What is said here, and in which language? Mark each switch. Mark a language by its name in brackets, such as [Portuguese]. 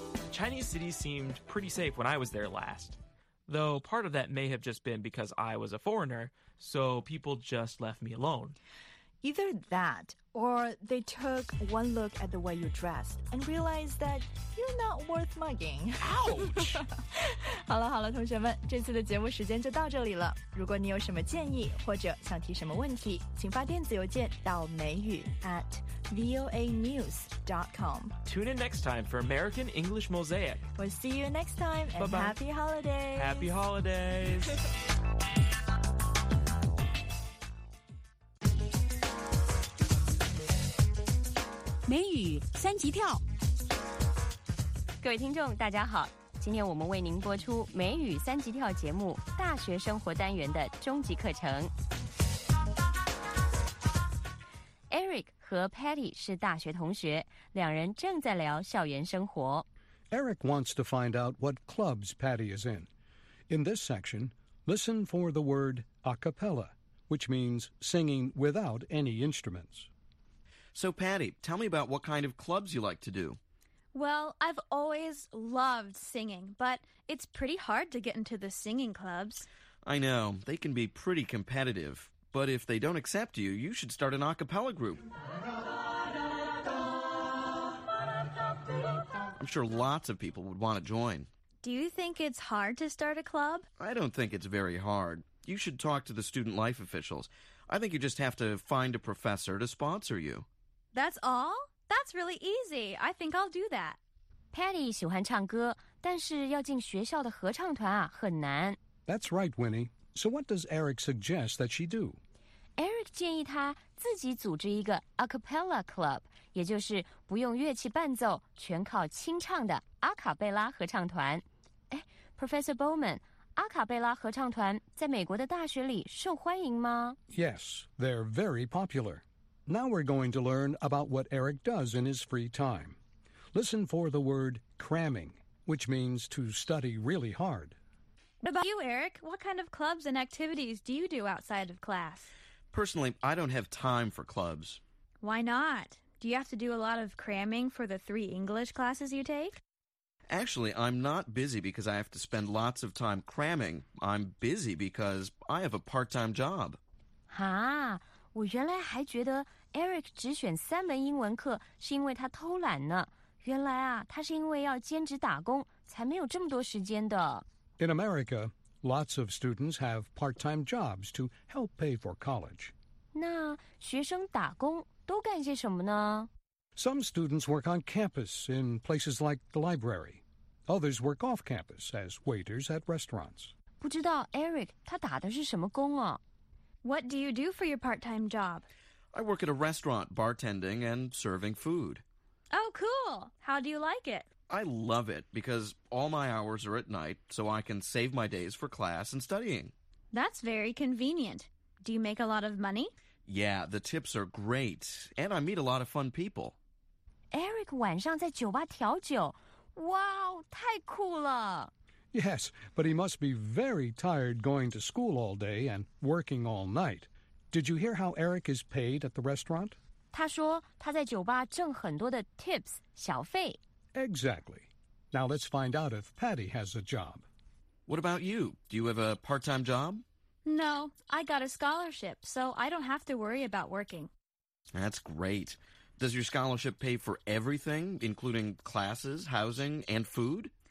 [English] Chinese city seemed pretty safe when I was there last. Though part of that may have just been because I was a foreigner, so people just left me alone. Either that, or they took one look at the way you dressed and realized that you're not worth mugging. Ouch! [Chinese] 好了好了，同学们，这次的节目时间就到这里了。如果你有什么建议或者想提什么问题，请发电子邮件到美语 @voanews.com. [English] Tune in next time for American English Mosaic. We'll see you next time, and bye bye. Happy holidays! Happy holidays! [Chinese] 美语三级跳。各位听众大家好，今天我们为您播出美语三级跳节目大学生活单元的终极课程。 Eric 和 Patty 是大学同学，两人正在聊校园生活。 [English] Eric wants to find out what clubs Patty is in. In this section, listen for the word a cappella, which means singing without any instruments. So Patty, tell me about what kind of clubs you like to do. Well, I've always loved singing, but it's pretty hard to get into the singing clubs. I know, they can be pretty competitive, but if they don't accept you, you should start an a cappella group. I'm sure lots of people would want to join. Do you think it's hard to start a club? I don't think it's very hard. You should talk to the student life officials. I think you just have to find a professor to sponsor you. That's all? That's really easy. I think I'll do that. [Chinese] Patty 喜欢唱歌，但是要进学校的合唱团啊，很难。 [English] That's right, Winnie. So what does Eric suggest that she do? [Chinese] Eric 建议他自己组织一个 a cappella club, 也就是不用乐器伴奏，全靠清唱的阿卡贝拉合唱团。哎 ，Professor Bowman, 阿卡贝拉合唱团在美国的大学里受欢迎吗 [English] ？Yes, they're very popular. Now we're going to learn about what Eric does in his free time. Listen for the word cramming, which means to study really hard. What about you, Eric? What kind of clubs and activities do you do outside of class? Personally, I don't have time for clubs. Why not? Do you have to do a lot of cramming for the three English classes you take? Actually, I'm not busy because I have to spend lots of time cramming. I'm busy because I have a part-time job. Huh? [Chinese] 我原来还觉得 Eric 只选三门英文课是因为他偷懒呢。原来啊，他是因为要兼职打工，才没有这么多时间的。 [English] In America, lots of students have part-time jobs to help pay for college. [Chinese] 那学生打工都干些什么呢？ [English] Some students work on campus in places like the library. Others work off campus as waiters at restaurants. [Chinese] 不知道 Eric 他打的是什么工啊？ [English] What do you do for your part-time job? I work at a restaurant, bartending and serving food. Oh, cool. How do you like it? I love it because all my hours are at night, so I can save my days for class and studying. That's very convenient. Do you make a lot of money? Yeah, the tips are great, and I meet a lot of fun people. [Chinese] Eric 晚上在酒吧调酒。 Wow, 太酷了。 [English] Yes, but he must be very tired going to school all day and working all night. Did you hear how Eric is paid at the restaurant? [Chinese] 他说他在酒吧挣很多的 tips, 小费。 [English] Exactly. Now let's find out if Patty has a job. What about you? Do you have a part-time job? No, I got a scholarship, so I don't have to worry about working. That's great. Does your scholarship pay for everything, including classes, housing, and food?